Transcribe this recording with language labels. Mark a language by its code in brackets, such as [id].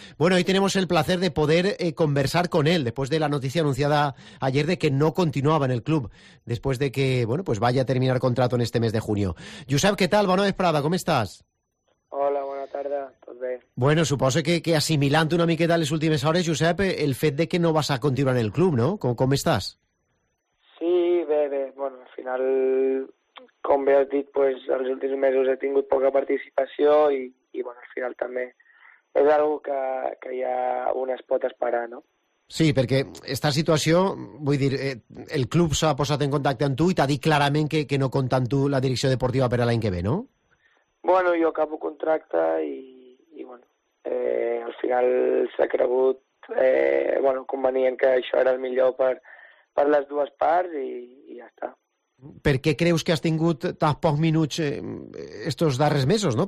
[es] Bueno, hoy tenemos el placer de poder conversar con él después de la noticia anunciada ayer de que no continuaba en el club, después de que, bueno, pues vaya a terminar contrato en este mes de junio. Josep, ¿qué tal? Buenas tardes, Prada, ¿cómo estás? Hola, buenas tardes, pues bien. Bueno, supongo que asimilante [ca] una miqueta [es] en las últimas horas, Josep, [ca] el fet de [es] que no vas a continuar en el club, ¿no? ¿Cómo estás? [ca] Sí, bebe, bueno, al final, com bé has dit, pues, els últims mesos he tingut poca participació i bueno, al final també és una cosa que ja un es pot esperar, no? Sí, perquè aquesta situació, vull dir, el club s'ha posat en contacte amb tu i t'ha dit clarament que no compta amb tu la direcció deportiva per a l'any que ve, no? Bueno, jo acabo contracte i bueno, al final s'ha cregut bueno, convenient que això era el millor per les dues parts i ja està. [es] ¿Por qué crees que has tingut tan pocos minutos estos darrers meses, no?